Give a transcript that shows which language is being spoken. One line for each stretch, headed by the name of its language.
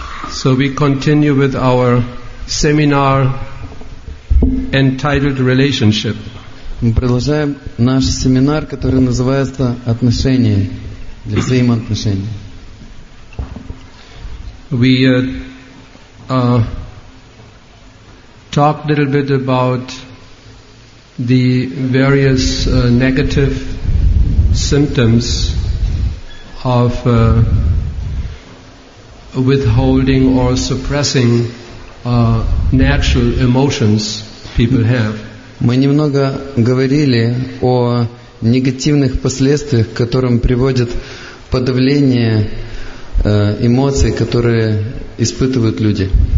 English: So we continue with our seminar entitled Relationship.
Russian: Мы продолжаем наш семинар, который называется «Отношения для взаимоотношений».
English: We talked a little bit about the various negative symptoms of withholding or suppressing natural emotions people have.
Russian: Мы немного говорили о негативных последствиях, к которым приводит подавление эмоций, которые испытывают люди.